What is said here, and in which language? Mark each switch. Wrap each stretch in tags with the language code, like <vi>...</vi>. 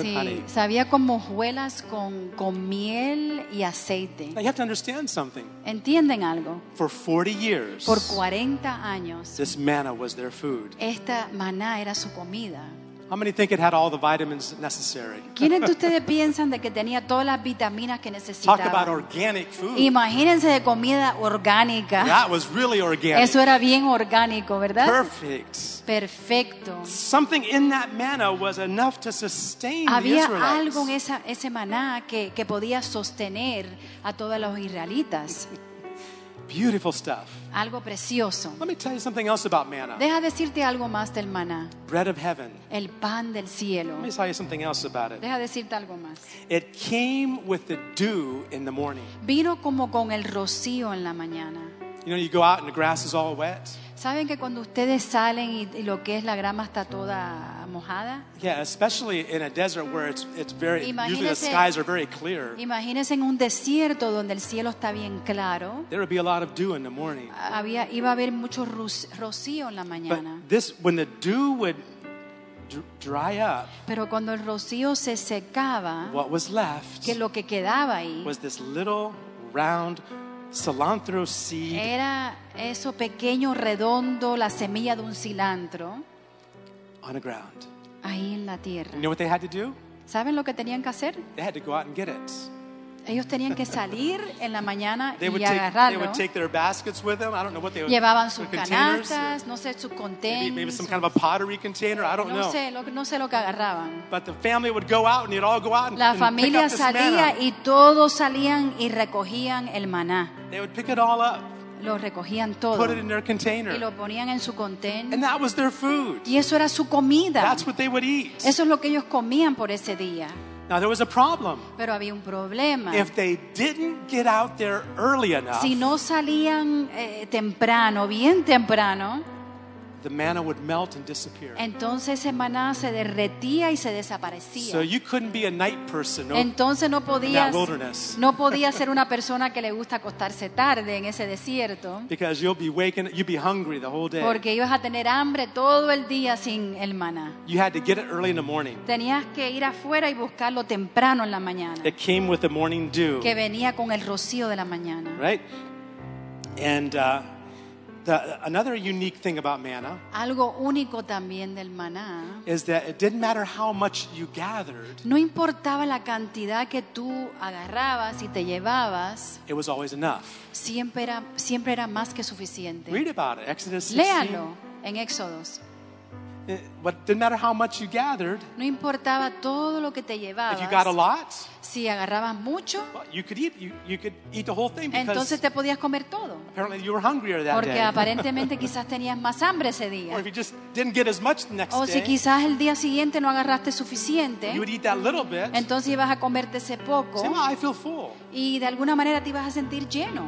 <en>and honey.</en> <es>Sabía como hojuelas con miel y aceite.</es> <en>Now you have to understand something.</en> <es>¿Entienden algo?</es> <en>For 40 years.</en> <es>Por 40 años.</es> <en>This manna was their food.</en> <es>Esta maná era su comida.</es> <en>How many think it had all the vitamins necessary?</en> <es>¿Quiénes de ustedes piensan de que tenía todas las vitaminas que necesitaba?</es> <en>Talk about organic food.</en> <es>Imagínense de comida orgánica.</es> <en>That was really organic.</en> <es>Eso era bien orgánico, ¿verdad?</es> <en>Perfect.</en> <es>Perfecto.</es> <en>Something in that manna was enough to sustain</en> <es>Había</es> <en>the Israelites.</en> <es>Había algo en ese maná que podía sostener a todos los israelitas.</es> <en>Beautiful stuff.</en> <es>Algo precioso.</es> <en>Let me tell you something else about manna.</en> <es>Deja decirte algo más del maná.</es> <en>Bread of heaven.</en> <es>El pan del cielo.</es> <en>Let me tell you something else about it.</en> <es>Deja decirte algo más.</es> <en>It came with the dew in the morning.</en> <es>Vino como con el rocío en la mañana.</es> <en>You know, you go out and the grass is all wet.</en> <es>¿Saben que cuando ustedes salen y lo que es la grama está toda mojada?</es> <en>Yeah, especially in a desert where it's very</en> <es>imagínese,</es> <en>usually the skies are very clear.</en> <es>Imagínense en un desierto donde el cielo está bien claro.</es> <en>There would be a lot of dew in the morning.</en> <es>Iba a haber mucho rocío en la mañana.</es> <en>But this when the dew would dry up.</en> <es>Pero cuando el rocío se secaba,</es> <en>what was left?</en> <es>Que lo que quedaba ahí</es> <en>was this little round cilantro seed.</en> <es>Era eso pequeño redondo, la semilla de un cilantro.</es> <en>On the ground.</en> <es>Ahí en la tierra.</es> <en>You know what they had to do?</en> <es>¿Saben lo que tenían que hacer?</es> <en>They had to go out and get it.</en> <es>Ellos tenían que salir en la mañana y agarrarlo.</es> <en>They would take their baskets with them. I don't know what they would.</en> <es>Llevaban sus canastas, no sé, sus contenedores.</es> <en>Maybe some kind of a pottery container. I don't know.</en> <es>No sé lo que agarraban.</es> <en>But the family would go out and they'd all go out and</en> <es>la familia salía y todos salían y recogían el maná.</es> <en>They would pick it all up.</en> <es>Lo recogían todo.</es> <en>Put it in their container.</en> <es>Y lo ponían en su contenedor.</es> <en>And that was their food.</en> <es>Y eso era su comida.</es> <en>That's what they would eat.</en> <es>Eso es lo que ellos comían por ese día.</es> <en>Now there was a problem.</en> <es>Pero había un problema.</es> <en>If they didn't get out there early enough,</en> <es>si no salían temprano, bien temprano,</es> <en>the manna would melt and disappear.</en> <es>Entonces ese maná se derretía y se desaparecía.</es> <en>So you couldn't be a night person.</en> <es>Entonces no podías,</es> <en>in that wilderness.</en> <es>No podías ser una persona que le gusta acostarse tarde en ese desierto.</es> <en>Because you'd be hungry the whole day.</en> <es>Porque ibas a tener hambre todo el día sin el maná.</es> <en>You had to get it early in the morning.</en> <es>Tenías que ir afuera y buscarlo temprano en la mañana.</es> <en>It came with the morning dew.</en> <es>Que venía con el rocío de la mañana.</es> <en>Right? And another unique thing about manna,</en> <es>algo único también del maná,</es> <en>is that it didn't matter how much you gathered.</en> <es>No importaba la cantidad que tú agarrabas y te llevabas.</es> <en>It was always enough.</en> <es>Siempre era más que suficiente.</es> <en>Read about it, Exodus 16.</en> <es>Léalo en Éxodos.</es> <en>But it didn't matter how much you gathered.</en> <es>No importaba todo lo que te llevabas.</es> <en>If you got a lot,</en> <es>si agarrabas mucho,</es> <en>well, you could eat the whole thing.</en> <es>Entonces te podías comer todo.</es> <en>Apparently you were hungrier that</en> <es>porque</es> <en>day.</en> <es>Aparentemente quizás tenías más hambre ese día.</es> <en>Or if you just didn't get as much the next</en> <es>o</es> <en>day,</en> <es>si quizás el día siguiente no agarraste suficiente,</es> <en>you would eat that little bit.</en> <es>Entonces ibas a comerte ese poco.</es> <en>Say, well, I feel full.</en> <es>Y de alguna manera te ibas a sentir lleno.</es>